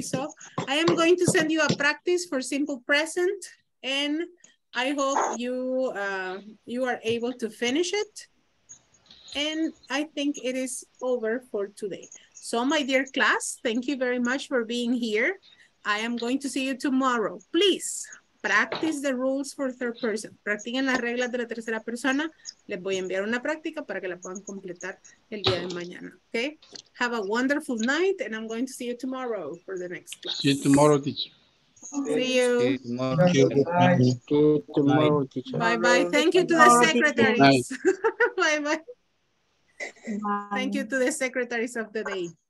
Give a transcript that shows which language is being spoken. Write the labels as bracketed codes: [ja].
[en] So I am going to send you a practice for simple present, and I hope you are able to finish it. And I think it is over for today. So my dear class, thank you very much for being here. I am going to see you tomorrow, please. Practice the rules for third person. [es] Practiquen las reglas de la tercera persona. Les voy a enviar una práctica para que la puedan completar el día de mañana. [en] Okay? Have a wonderful night, and I'm going to see you tomorrow for the next class. See you tomorrow, teacher. See you. Bye-bye. Thank you to the secretaries. Bye-bye. Thank you to the secretaries of the day.